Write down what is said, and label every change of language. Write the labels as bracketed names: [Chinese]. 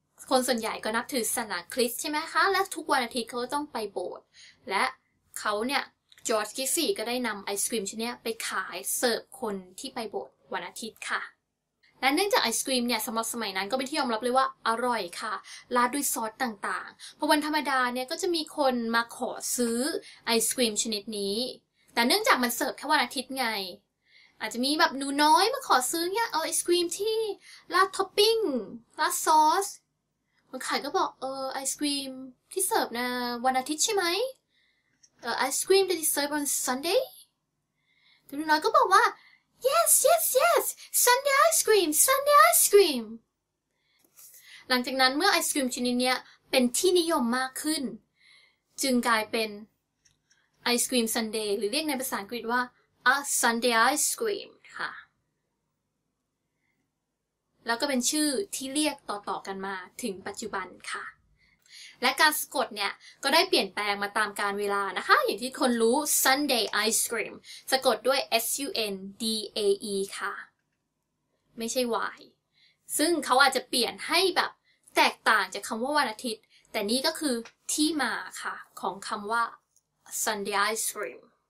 [Thai] คนส่วนใหญ่ก็นับถือศาสนาคริสต์ใช่ไหมคะและทุกวันอาทิตย์เขาก็ต้องไปโบสถ์และเขาเนี่ยจอร์จกิฟฟี่ก็ได้นำไอศกรีมชนิดนี้ไปขายเสิร์ฟคนที่ไปโบสถ์วันอาทิตย์ค่ะและเนื่องจากไอศกรีมเนี่ยสำหรับสมัยนั้นก็เป็นที่ยอมรับเลยว่าอร่อยค่ะราดด้วยซอสต่างๆพอวันธรรมดาเนี่ยก็จะมีคนมาขอซื้อไอศกรีมชนิดนี้แต่เนื่องจากมันเสิร์ฟแค่วันอาทิตย์ไง อาจจะมีแบบหนูน้อยมาขอซื้อเนี่ยเอาไอศกรีมที่ราดท็อปปิ้งราดซอสคนขายก็บอกเออไอศกรีมที่เสิร์ฟในวันอาทิตย์ใช่ไหม [English] Ice cream that is served on Sunday? The little girl said, Yes, yes, yes! Sunday ice cream! Sunday ice cream! [Thai] หลังจากนั้นเมื่อไอศกรีมชนิดนี้เป็นที่นิยมมากขึ้นจึงกลายเป็นไอศกรีม Sunday หรือเรียกในภาษาอังกฤษว่า A Sunday ice cream ค่ะ แล้วก็เป็นชื่อที่เรียกต่อๆกันมาถึงปัจจุบันค่ะและการสะกดเนี่ยก็ได้เปลี่ยนแปลงมาตามกาลเวลานะคะอย่างที่คนรู้ Sunday ice cream สะกดด้วย Sundae ค่ะไม่ใช่ Y ซึ่งเขาอาจจะเปลี่ยนให้แบบแตกต่างจากคำว่าวันอาทิตย์แต่นี่ก็คือที่มาค่ะของคำว่า Sunday ice cream